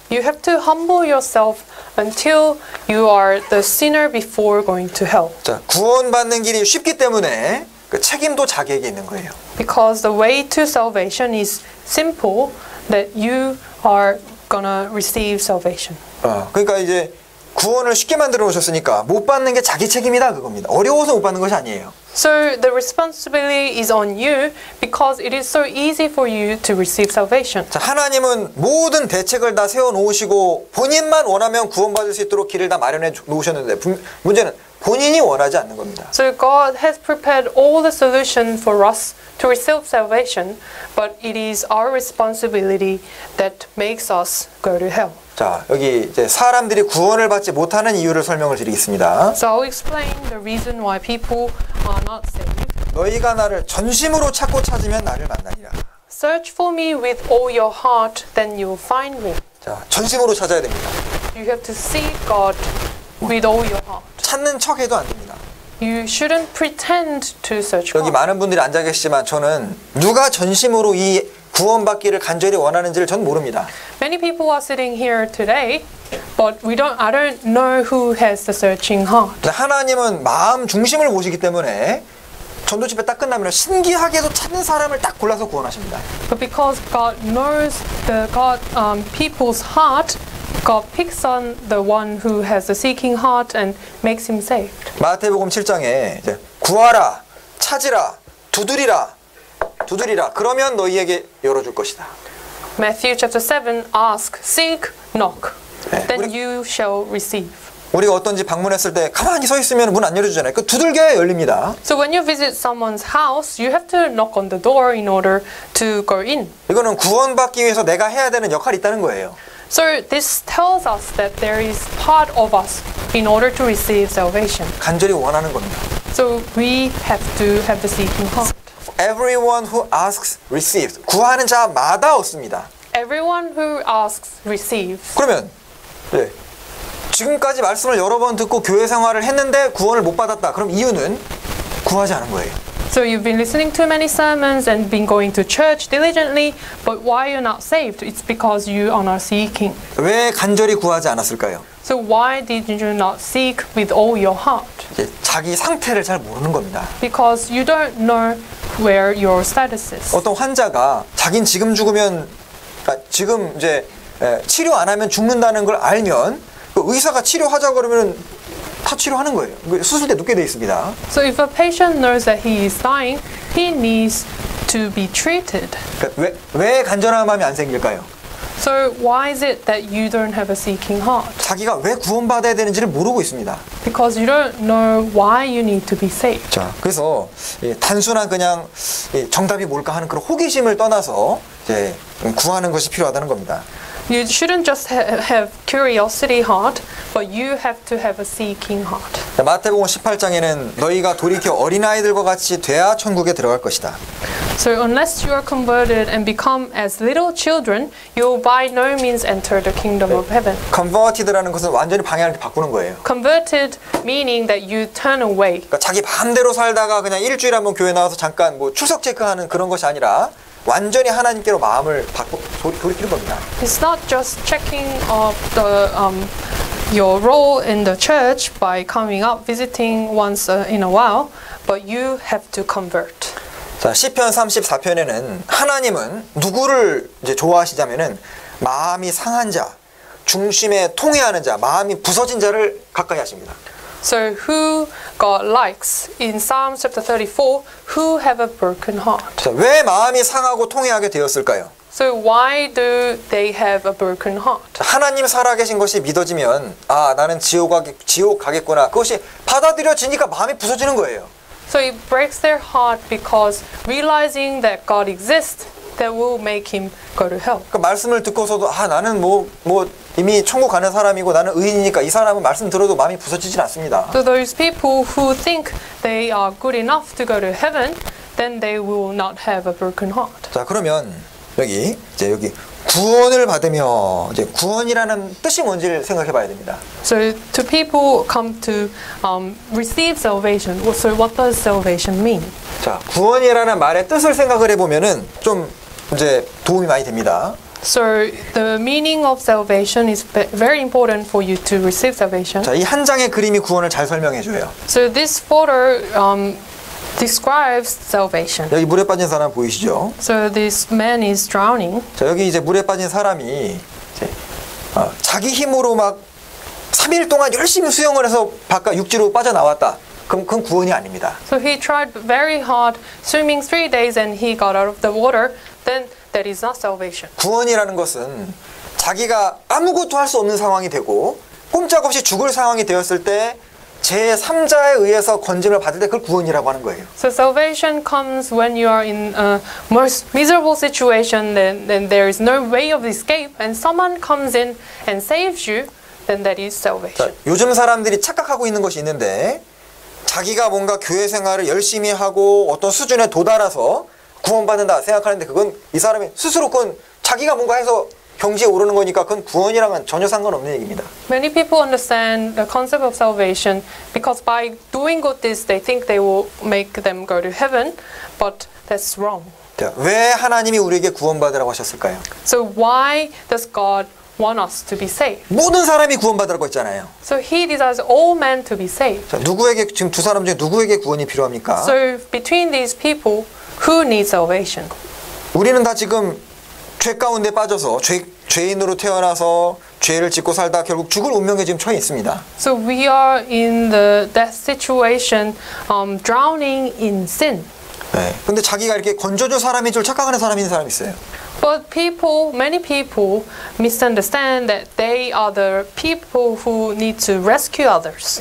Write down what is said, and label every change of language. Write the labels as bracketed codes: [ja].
[en] You have to humble yourself until you are the sinner before going to hell. [ko] 자, 구원받는 길이 쉽기 때문에 그 책임도 자기에게 있는 거예요. [en] Because the way to salvation is simple that you are gonna receive salvation. [ko] 그러니까 이제 구원을 쉽게 만들어 오셨으니까 못 받는 게 자기 책임이다 그겁니다. 어려워서 못 받는 것이 아니에요. [en] So the responsibility is on you because it is so easy for you to receive salvation. [ko] 자, 하나님은 모든 대책을 다 세워 놓으시고 본인만 원하면 구원 받을 수 있도록 길을 다 마련해 놓으셨는데 문제는 본인이 원하지 않는 겁니다. [en] So God has prepared all the solution for us to receive salvation, but it is our responsibility that makes us go to hell. [ko] 자, 여기 이제 사람들이 구원을 받지 못하는 이유를 설명을 드리겠습니다. [en] So I'll explain the reason why people are not saved. [ko] 너희가 나를 전심으로 찾고 찾으면 나를 만나리라. [en] Search for me with all your heart, then you'll find me. [ko] 자, 전심으로 찾아야 됩니다. [en] You have to seek God with all your heart. [ko] 찾는 척해도 안 됩니다. [en] You shouldn't pretend to search God. [ko] 여기 많은 분들이 앉아 계시지만 저는 누가 전심으로 이 구원받기를 간절히 원하는지를 전 모릅니다. [en] Many people are sitting here today, but I don't know who has the searching heart. [ko] 하나님은 마음 중심을 보시기 때문에 전도 집회 딱 끝나면 신기하게도 찾는 사람을 딱 골라서 구원하십니다. [en] But because God knows the people's heart, God picks on the one who has a seeking heart and makes him saved. [ko] 마태복음 7장에 이제 구하라, 찾으라, 두드리라. 두드리라. 그러면 너희에게 열어 줄 것이다. [en] Matthew chapter 7 ask, seek, knock. 네, then 우리, you shall receive. [ko] 우리가 어떤지 방문했을 때 가만히 서 있으면 문 안 열어 주잖아요. 그 두들겨야 열립니다. [en] So when you visit someone's house, you have to knock on the door in order to go in. [ko] 이거는 구원받기 위해서 내가 해야 되는 역할이 있다는 거예요. [en] So this tells us that there is part of us in order to receive salvation. [ko] 간절히 원하는 겁니다. [en] So we have to have the seeking heart. Everyone who asks receives. [ko] 구하는 자마다 얻습니다. [en] Everyone who asks receives. [ko] 그러면 네. 지금까지 말씀을 여러 번 듣고 교회 생활을 했는데 구원을 못 받았다. 그럼 이유는 구하지 않은 거예요. [en] So you've been listening to many sermons and been going to church diligently, but why you're not saved? It's because you are not seeking. [ko] 왜 간절히 구하지 않았을까요? [en] So why did you not seek with all your heart? [ko] 이제 자기 상태를 잘 모르는 겁니다. [en] Because you don't know where your status is. [ko] 어떤 환자가 자긴 지금 죽으면 그러니까 지금 이제 치료 안 하면 죽는다는 걸 알면 그 의사가 치료하자 그러면은 다 치료하는 거예요. 수술대 눕게 돼 있습니다. [en] So if a patient knows that he is dying, he needs to be treated. [ko] 그러니까 왜 간절한 마음이 안 생길까요? [en] So why is it that you don't have a seeking heart? [ko] 자기가 왜 구원받아야 되는지를 모르고 있습니다. [en] Because you don't know why you need to be saved. [ko] 자, 그래서 단순한 그냥 정답이 뭘까 하는 그런 호기심을 떠나서 이제 구하는 것이 필요하다는 겁니다. [en] You shouldn't just have curiosity heart, but you have to have a seeking heart. [ko] 마태복음 18장에는 너희가 돌이켜 어린 아이들과 같이 돼야 천국에 들어갈 것이다. [en] So unless you are converted and become as little children, you will by no means enter the kingdom of heaven. [ko] Converted라는 것은 완전히 방향을 바꾸는 거예요. [en] Converted meaning that you turn away. [ko] 그러니까 자기 마음대로 살다가 그냥 일주일 한번 교회 나와서 잠깐 뭐 추석 체크하는 그런 것이 아니라. 완전히 하나님께로 마음을 돌이키는 겁니다. [en] It's not just checking of the your role in the church by coming up visiting once in a while, but you have to convert. [ko] 자, 시편 34편에는 하나님은 누구를 이제 좋아하시냐면은 마음이 상한 자, 중심에 통회하는 자, 마음이 부서진 자를 가까이 하십니다. [en] So who God likes in Psalms chapter 34 who have a broken heart. [ko] 왜 마음이 상하고 통회하게 되었을까요? [en] So why do they have a broken heart? [ko] 하나님 살아계신 것이 믿어지면 아 나는 지옥 가겠구나. 그것이 받아들여지니까 마음이 부서지는 거예요. [en] So it breaks their heart because realizing that God exists that will make him go to hell. [ko] 그 말씀을 듣고서도 아 나는 뭐 이미 천국 가는 사람이고 나는 의인이니까 이 사람은 말씀 들어도 마음이 부서지진 않습니다. [en] So those people who think they are good enough to go to heaven, then they will not have a broken heart. [ko] 자 그러면 여기 구원을 받으며 이제 구원이라는 뜻이 뭔지를 생각해봐야 됩니다. [en] So to people come to receive salvation. So what does salvation mean? [ko] 자 구원이라는 말의 뜻을 생각을 해보면은 좀 이제 도움이 많이 됩니다. [en] So the meaning of salvation is very important for you to receive salvation. [ko] 자, 이 한 장의 그림이 구원을 잘 설명해 줘요. [en] So this photo describes salvation. [ko] 여기 물에 빠진 사람 보이시죠? [en] So this man is drowning. [ko] 자, 여기 이제 물에 빠진 사람이 자기 힘으로 막 3일 동안 열심히 수영을 해서 바깥 육지로 빠져나왔다. 그건 구원이 아닙니다. [en] So he tried very hard swimming 3 days and he got out of the water. Then that is not salvation. [ko] 구원이라는 것은 자기가 아무것도 할 수 없는 상황이 되고 꼼짝없이 죽을 상황이 되었을 때 제3자에 의해서 건짐을 받을 때 그걸 구원이라고 하는 거예요. [en] So salvation comes when you are in a most miserable situation then there is no way of escape and someone comes in and saves you then that is salvation. [ko] 자, 요즘 사람들이 착각하고 있는 것이 있는데 자기가 뭔가 교회 생활을 열심히 하고 어떤 수준에 도달해서 구원받는다 생각하는데 그건 이 사람이 스스로 그건 자기가 뭔가 해서 경지에 오르는 거니까 그건 구원이랑은 전혀 상관없는 얘기입니다. [en] Many people understand the concept of salvation because by doing good deeds they think they will make them go to heaven, but that's wrong. [ko] 왜 하나님이 우리에게 구원받으라고 하셨을까요? [en] So why does God want us to be saved? [ko] 모든 사람이 구원받으라고 했잖아요. [en] So he desires all men to be saved. [ko] 자, 누구에게 지금 두 사람 중에 누구에게 구원이 필요합니까? [en] So between these people who needs salvation? [ko] 우리는 다 지금 죄 가운데 빠져서 죄인으로 태어나서 죄를 짓고 살다 결국 죽을 운명에 지금 처해 있습니다. [en] So we are in the death situation drowning in sin. [ko] 네. 근데 자기가 이렇게 건져줄 사람인 줄 착각하는 사람이 있는 사람이 있어요. [en] But people, many people misunderstand that they are the people who need to rescue others.